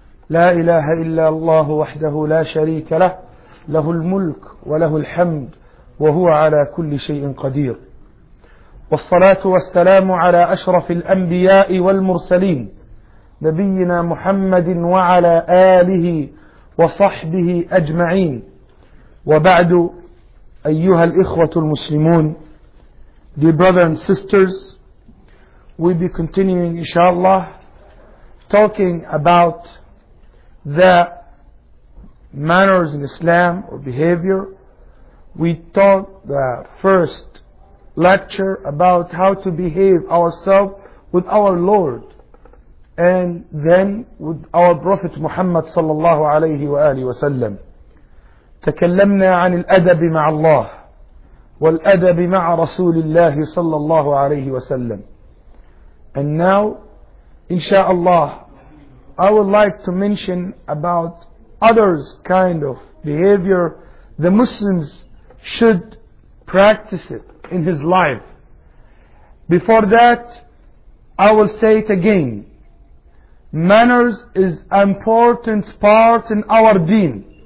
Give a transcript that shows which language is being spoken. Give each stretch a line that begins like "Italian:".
Arabic: لا إله إلا الله وحده لا شريك له، له الملك وله الحمد وهو على كل شيء قدير. والصلاة والسلام على أشرف الأنبياء والمرسلين نبينا محمد وعلى آله وصحبه أجمعين. وبعد، أيها الإخوة المسلمون،
English: dear brothers and sisters, we'll be continuing inshallah talking about the manners in Islam or behavior. We taught the first lecture about how to behave ourselves with our Lord and then with our Prophet Muhammad sallallahu alayhi wa alihi wa sallam.
Arabic: تكلمنا عن الأدب مع الله والأدب مع رسول الله صلى الله عليه وسلم.
English: And now, inshallah, I would like to mention about others kind of behavior the Muslims should practice it in his life. Before that, I will say it again. Manners is an important part in our deen.